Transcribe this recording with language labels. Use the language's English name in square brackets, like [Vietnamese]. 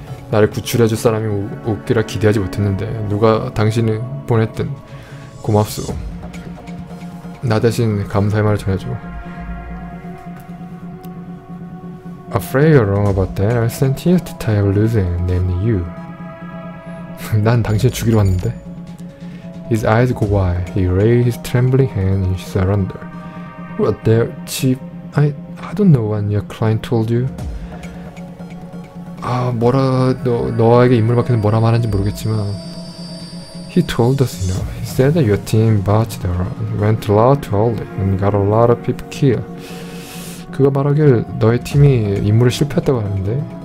[Korean] 나를 구출해줄 사람이 없기라 기대하지 못했는데 누가 당신을 보냈든 고맙소. 나 대신 감사의 말을 전해줘. [English] Afraid you're wrong about that, I sent here to tie a loose end, namely you. [Korean] 난 당신을 죽이러 왔는데. [English] His eyes go wide. He raised his trembling hand in surrender. What the chief? I don't know what your client told you. [Korean] 아, 뭐라 너에게 인물 밖에서 뭐라 말하는지 모르겠지만. [English] He told us enough. He said that your team botched around, went a lot too early, and got a lot of people killed. [Korean] 그가 말하길 너의 팀이 임무를 실패했다고 하는데.